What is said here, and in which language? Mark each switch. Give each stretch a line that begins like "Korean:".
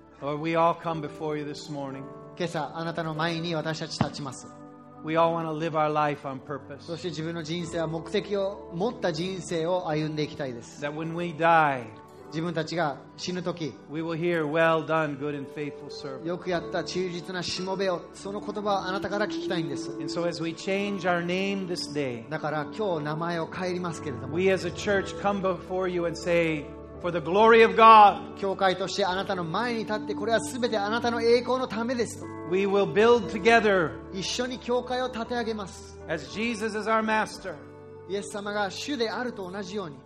English: Lord, we all come before you this morning.
Japanese: 今朝あなたの前に私たち立ちます。
English: We all want to live our life on purpose.
Japanese: そして自分の人生は目的を持った人生を歩んでいきたいです。
English: That when we die,
Japanese: 自分たちが死ぬ時、
English: we will hear, "Well done, good and faithful servant."
Japanese: よくやった忠実なしもべよ。その言葉をあなたから聞きたいんです。
English: And so as we change our name this day,
Japanese: だから今日名前を変えりますけれども、
English: we as a church come before you and say. For the glory of God.
Japanese: 教会としてあなたの前に立ってこれはすべてあなたの栄光のためですと。
English: We will build together.
Japanese: 一緒に教会を建て上げます。
English: As Jesus is our master. イエス様が主であると同じように。